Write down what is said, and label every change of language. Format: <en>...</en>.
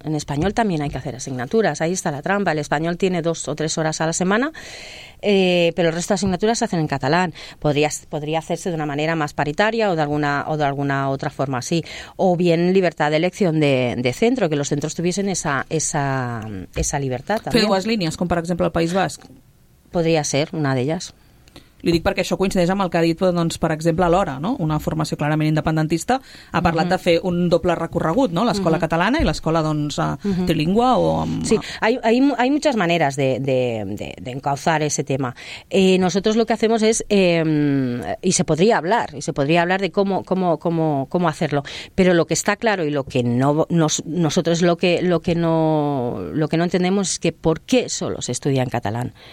<es>En español también hay que hacer asignaturas. Ahí está la trampa. El español tiene 2 o 3 horas a la semana. Pero el resto de asignaturas se hacen en catalán. Podría hacerse de una manera más paritaria o de alguna otra forma así. O bien libertad de elección de centro, que los centros tuviesen esa libertad también.</es> <ca>Fer dues línies, com per exemple el País Basc.</ca> <es>Podría ser una de ellas.</es> <ca>Li dic perquè això coincideix amb el que ha dit, doncs, per exemple, l'Hora, no? Una formació clarament independentista, ha parlat de fer un doble recorregut, no? L'escola catalana i l'escola, doncs, trilingüe o... Amb...</ca> <es>Sí, hay muchas maneras de encauzar ese tema. Nosotros lo que hacemos es, y se podría hablar de cómo hacerlo, pero lo que está claro y lo que no nosotros lo que no entendemos es que por qué solo se estudia en catalán.</es>